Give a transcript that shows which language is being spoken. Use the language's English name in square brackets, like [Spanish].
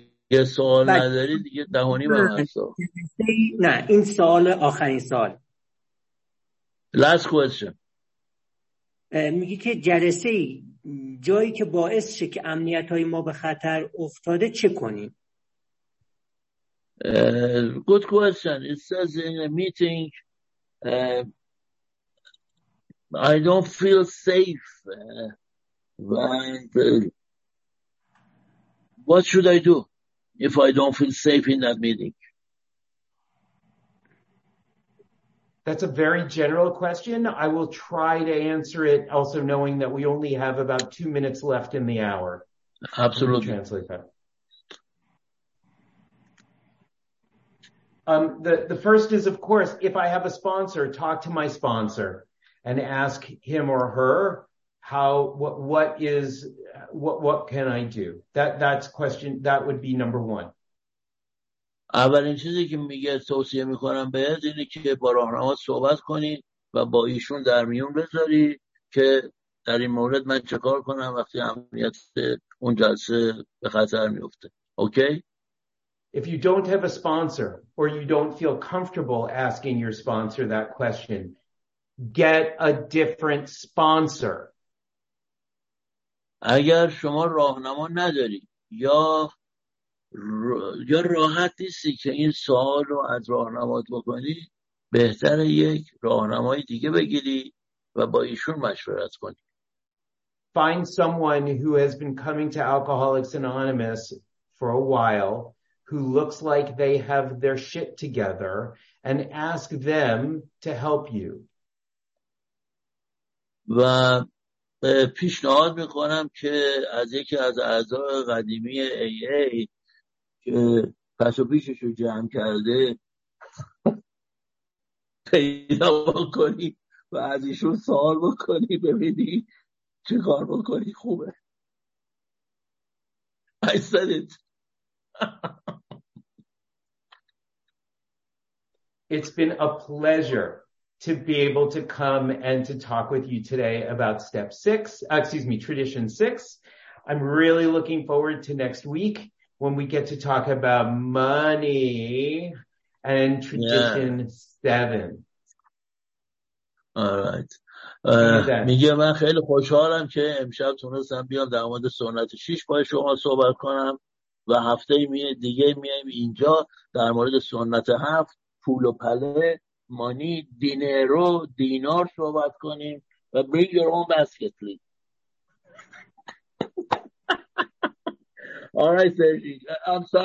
[Persian] یه سوال نداری دیگه دهانی به من سوال. نه، این سوال آخرین سوال. [English] Last question. [Persian] میگی که جلسه جایی که باعث شه که امنیت های ما به خطر افتاده چه کنیم؟ [English] Good question. It says in a meeting I don't feel safe what should I do? If I don't feel safe in that meeting. That's a very general question. I will try to answer it, also knowing that we only have about 2 minutes left in the hour. Absolutely. Translate that. The first is, of course, if I have a sponsor, talk to my sponsor and ask him or her what can I do? That would be number one. [Persian] اولین چیزی که میگه توصیه میکنم بهت اینه که با راهنما صحبت کنی و با ایشون در میون بذاری که در این مورد من چه کار کنم وقتی امنیت اون جلسه به خطر میفته. اوکی؟ [English] If you don't have a sponsor or you don't feel comfortable asking your sponsor that question, get a different sponsor. [Persian] اگر شما راهنما نداری یا راحت نیستی که این سوال رو از راهنمات بکنی، بهتره یک راهنمای دیگه بگیری و با ایشون مشورت کنی. [English] Find someone who has been coming to Alcoholics Anonymous for a while, who looks like they have their shit together, and ask them to help you. [Persian] و پیشنهاد میکنم که از یکی از اعضای قدیمی AA که پس و پیشش رو جمع کرده پیدا بکنی و از ایشون سوال بکنی ببینی چه کار بکنی خوبه. [English] I said it. It's been a pleasure to be able to come and to talk with you today about tradition 6. I'm really looking forward to next week when we get to talk about money and tradition 7. All right. [Persian] میگه من خیلی خوشحالم که امشب تونستم بیام در مورد سنت 6 با شما صحبت کنم و هفته دیگه میایم اینجا در مورد سنت 7 پول و پله، مانی، دینرو، دینار صحبت کنیم و [English] bring your own basket please. All right, Sergi. I'm sorry.